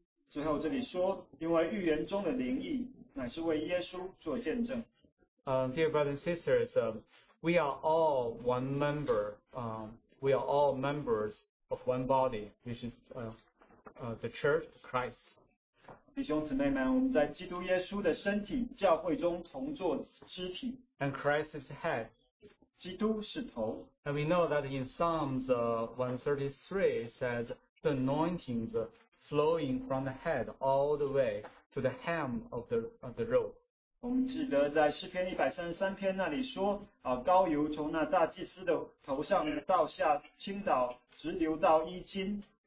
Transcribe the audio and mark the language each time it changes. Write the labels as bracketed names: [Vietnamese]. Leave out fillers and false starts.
[Chinese] 最后这里说, [English] dear brothers and sisters, we are all one member. We are all members of one body, which is the Church of Christ. [Chinese] 弟兄姊妹们,我们在基督耶稣的身体,教会中同作肢体, [English] and Christ is head. [Chinese] 基督是头, [English] and we know that in Psalms 133 it says the anointings flowing from the head all the way to the hem of the robe. [Chinese] 我们记得在诗篇133篇那里说, 膏油从那大祭司的头上倒下倾倒直流到衣襟。